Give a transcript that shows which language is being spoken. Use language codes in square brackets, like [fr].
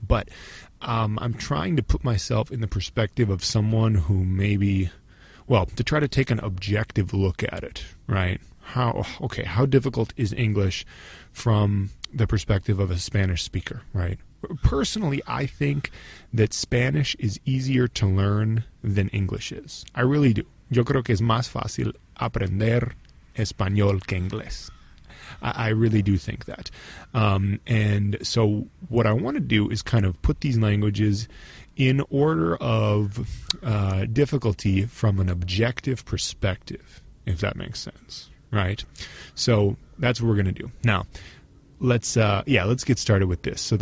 [en] But I'm trying to put myself in the perspective of someone who maybe, well, to try to take an objective look at it, right? How difficult is English from the perspective of a Spanish speaker, right? Personally, I think that Spanish is easier to learn than English is. I really do. [es] Yo creo que es más fácil aprender español que inglés. [en] I really do think that. And so what I want to do is kind of put these languages in order of difficulty from an objective perspective, if that makes sense. Right. So that's what we're going to do. Now, let's get started with this.